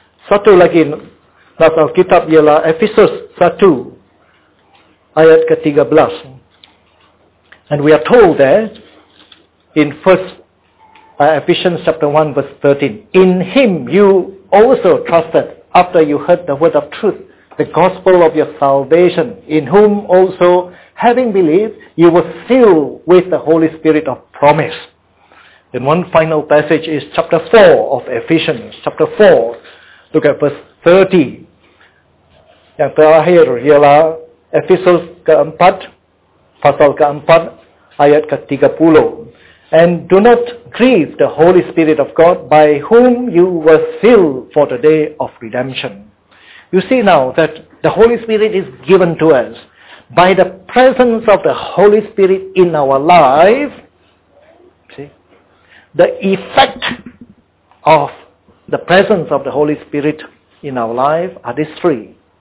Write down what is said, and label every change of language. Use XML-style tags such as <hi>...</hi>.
<id>Satu lagi nas Alkitab ialah Ephesus 1 ayat ke-13.</id> <en>And we are told there in Ephesians chapter 1 verse 13. In him you also trusted after you heard the word of truth, the gospel of your salvation, in whom also, having believed, you were sealed with the Holy Spirit of promise. And one final passage is chapter 4 of Ephesians. Chapter 4, look at verse 30.</en> <id>Yang terakhir ialah Ephesians keempat, pasal keempat, ayat ke-30.</id> <en>And do not grieve the Holy Spirit of God, by whom you were sealed for the day of redemption. You see now that the Holy Spirit is given to us. By the presence of the Holy Spirit in our life, see, the effect of the presence of the Holy Spirit in our life are these three.</en>